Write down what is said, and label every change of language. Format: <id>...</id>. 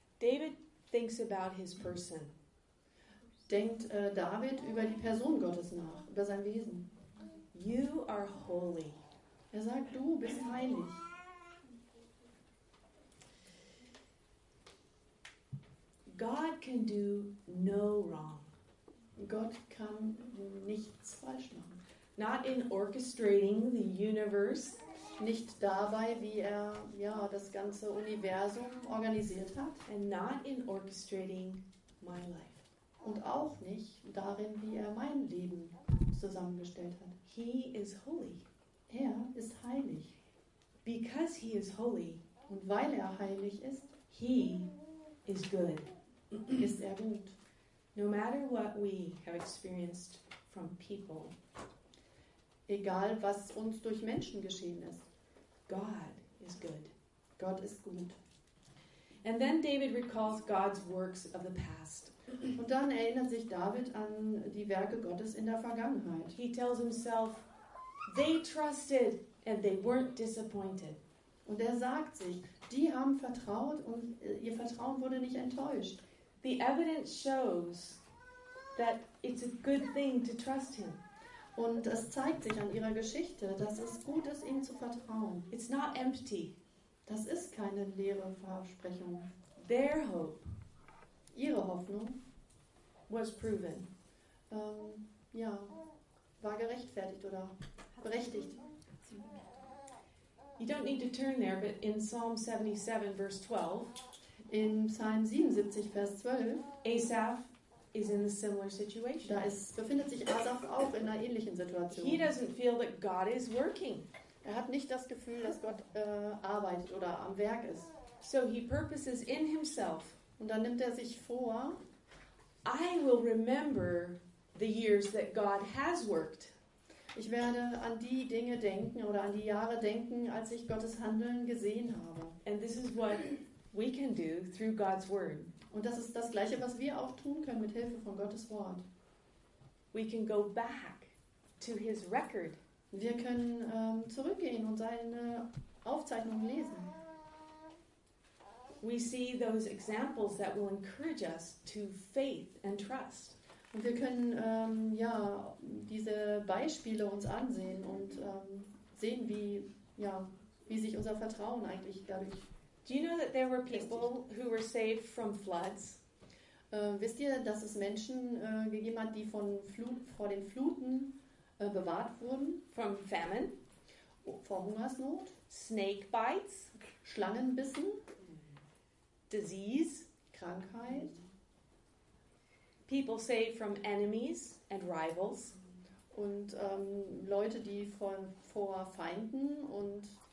<en>David thinks about his person.</en> <de>Denkt David über die Person Gottes nach, über sein Wesen.</de> <en>You are holy.</en> <de>Er sagt, du bist heilig.</de> <en>God can do no wrong.</en> <de>Gott kann nichts falsch machen.</de> <en>Not in orchestrating the universe.</en> <de>Nicht dabei, wie er ja, das ganze Universum organisiert hat.</de> <en>And not in orchestrating my life.</en> <de>Und auch nicht darin, wie er mein Leben zusammengestellt hat.</de> <en>He is holy.</en> <de>Er ist heilig.</de> <en>Because he is holy.</en> <de>Und weil er heilig ist.</de> <en>He is good.</en> <de>Ist er gut.</de> <en>No matter what we have experienced from people.</en> <de>Egal, was uns durch Menschen geschehen ist.</de> <en>God is good.</en> <de>Gott ist gut.</de> <en>And then David recalls God's works of the past.</en> <de>Und dann erinnert sich David an die Werke Gottes in der Vergangenheit.</de> <en>He tells himself, they trusted and they weren't disappointed.</en> <de>Und er sagt sich, die haben vertraut und ihr Vertrauen wurde nicht enttäuscht.</de> <en>The evidence shows that it's a good thing to trust him.</en> <de>Und es zeigt sich an ihrer Geschichte, dass es gut ist, ihm zu vertrauen.</de> <en>It's not empty.</en> <de>Das ist keine leere Versprechung.</de> <en>Their hope.</en> <de>Ihre Hoffnung.</de> <en>Was proven.</en> <de>Ja, war gerechtfertigt oder berechtigt.</de> <en>You don't need to turn there, but in Psalm 77, verse 12,</en> <de>in Psalm 77, Vers 12,</de> <en>Asaph is in a similar situation.</en> <de>Da ist, befindet sich Asaph auch in einer ähnlichen Situation.</de> <en>He doesn't feel that God is working.</en> <de>Er hat nicht das Gefühl, dass Gott arbeitet oder am Werk ist.</de> <en>So he purposes in himself.</en> <de>Und dann nimmt er sich vor,</de> <en>I will remember the years that God has worked.</en> <de>Ich werde an die Dinge denken oder an die Jahre denken, als ich Gottes Handeln gesehen habe.</de> <en>And this is what we can do through God's word.</en> <de>Und das ist das Gleiche, was wir auch tun können mit Hilfe von Gottes Wort.</de> <en>We can go back to his record.</en> <de>Wir können zurückgehen und seine Aufzeichnung lesen.</de> <en>We see those examples that will encourage us to faith and trust.</en> <de>Und wir können ja diese Beispiele uns ansehen und sehen, wie sich unser Vertrauen eigentlich dadurch.</de> <en>Do you know that there were people who were saved from floods?</en> <de>Wisst ihr, dass es Menschen gegeben hat, die vor den Fluten bewahrt wurden?</de> <en>From famine,</en> <de>vor Hungersnot,</de> <en>snake bites,</en> <de>Schlangenbissen,</de> <en>disease,</en> <de>Krankheit.</de> <en>People saved from enemies and rivals.</en> <de>Und Leute, die vor Feinden und</de>